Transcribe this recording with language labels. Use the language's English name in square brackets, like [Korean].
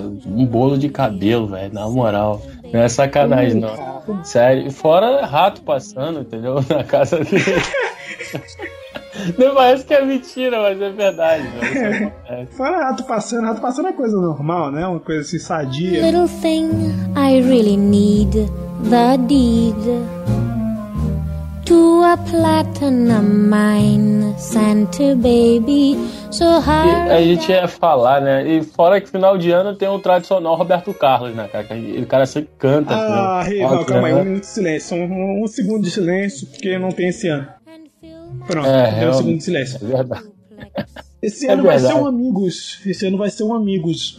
[Portuguese] Um bolo de cabelo, velho. Na moral. Não é sacanagem, não. Cara. Sério. Fora rato passando, entendeu? Na casa dele. Não, parece que é mentira, mas é verdade. Fora rato passando é coisa normal, né? Uma coisa assim, sadia. [English] Little thing, I really need the deed to a platinum mine, Santa baby. So hard. [Portuguese] A gente ia falar, né? E fora que final de ano tem o tradicional Roberto Carlos, né? Cara, o cara sempre canta. Ah, assim, não, calma aí, um minuto de silêncio. Um segundo de silêncio, porque não tem esse ano. Pronto, deu um segundo de silêncio. É verdade. Esse ano vai ser um amigos. Esse ano vai ser um amigos.